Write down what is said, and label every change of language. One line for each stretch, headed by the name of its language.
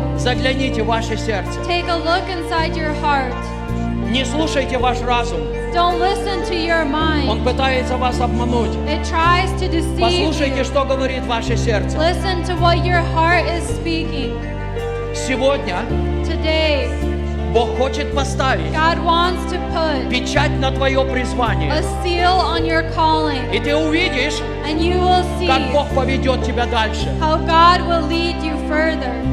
English: Take a look inside your heart.
Russian: Не слушайте ваш разум.
English: Don't listen to your mind.
Russian: Он пытается вас обмануть.
English: It tries to deceive you.
Russian: Послушайте, что говорит ваше сердце.
English: Listen to what your heart is speaking.
Russian: Сегодня
English: Today,
Russian: Бог хочет поставить
English: God wants to put
Russian: печать на твое призвание.
English: A seal on your calling.
Russian: И ты увидишь,
English: And you will see
Russian: как Бог поведет тебя дальше.
English: How God will lead you further.